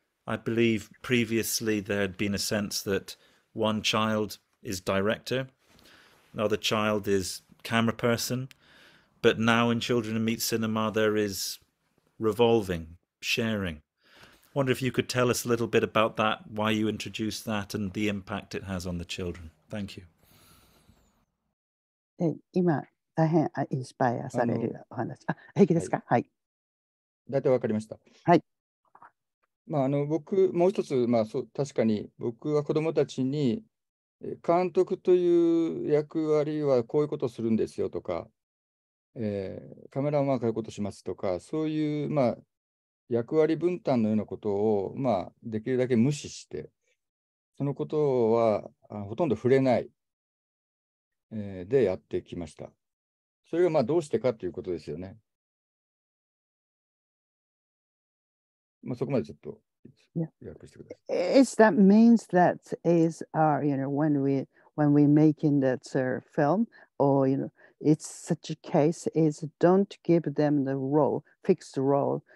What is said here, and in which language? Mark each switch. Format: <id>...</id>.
<en>I believe previously there had been a sense that one child is director, another child is camera person, but now in Children Meet Cinema there is revolving, sharing. I wonder if you could tell us a little bit about that, why you introduced that and the impact it has on the children. Thank you.</en> <ja>今大変インスパイアされるお話。平気ですか？はい。大体わかりました。はい。まあ、僕もう一つ、まあ、そう確かに僕は子どもたちに監督という役割はこういうことをするんですよとか、カメラマンはこういうことをしますとか、そういう、まあ、役割分担のようなことを、まあ、できるだけ無視して、そのことはほとんど触れない、でやってきました。それが、まあ、どうしてかということですよね。</ja> <en>It's that means that is our, you know, when we making that film, or you know, it's such a case is don't give them the role, fixed role.</en>